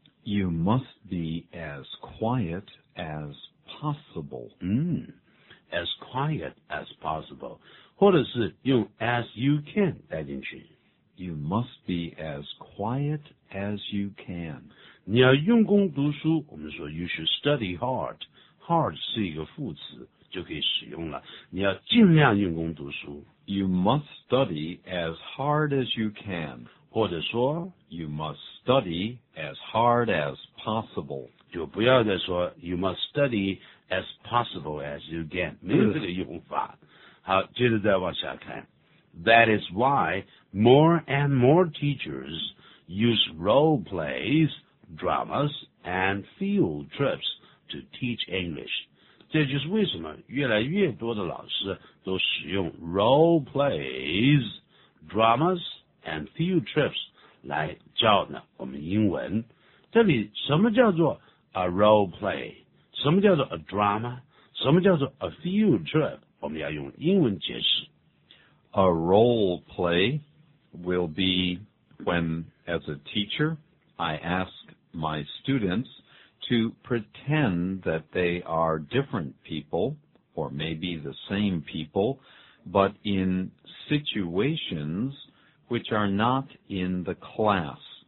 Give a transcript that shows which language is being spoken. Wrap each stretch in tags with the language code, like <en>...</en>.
<en>You must be as quiet as possible。 As quiet as possible。</en> <zh>或者是用 as you can 带进去。</zh> <en>You must be as quiet as you can。</en> <zh>你要用功读书，我们说</zh> <en>you should study hard。</en> <zh>hard 是一个副词就可以使用了。你要尽量用功读书。</zh> <en>You must study as hard as you can.</en> <zh>或者说</zh> <en>You must study as hard as possible. 就不要再说 You must study as possible as you can.</en> <zh>没有这个用法。好，接着再往下看。</zh> <en>That is why more and more teachers use role plays, dramas, and field trips to teach English.</en> <zh>这就是为什么越来越多的老师都使用</zh> <en>role plays, dramas, and field trips</en> <zh>来教呢我们英文。这里什么叫做 a role play? 什么叫做 a drama? 什么叫做 a field trip? 我们要用英文解释。</zh> <en>A role play will be when, as a teacher, I ask my students to pretend that they are different people, or maybe the same people, but in situations which are not in the class.</en>